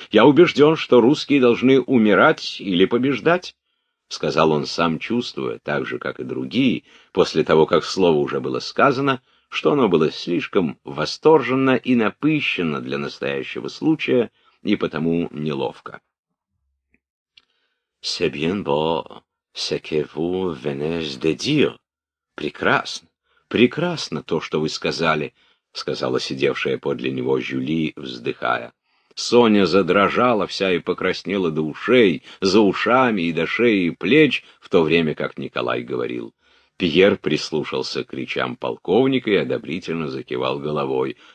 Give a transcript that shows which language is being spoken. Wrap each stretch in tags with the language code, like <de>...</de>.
<ru>«Я убежден, что русские должны умирать или побеждать», — сказал он, сам чувствуя, так же, как и другие, после того, как слово уже было сказано, что оно было слишком восторженно и напыщенно для настоящего случая и потому неловко.</ru> <fr>«C'est bien beau ce que vous venez de dire.</fr> <ru>Прекрасно, прекрасно то, что вы сказали», — сказала сидевшая подле него Жюли, вздыхая. Соня задрожала вся и покраснела до ушей, за ушами и до шеи и плеч, в то время как Николай говорил. Пьер прислушался к речам полковника и одобрительно закивал головой.</ru>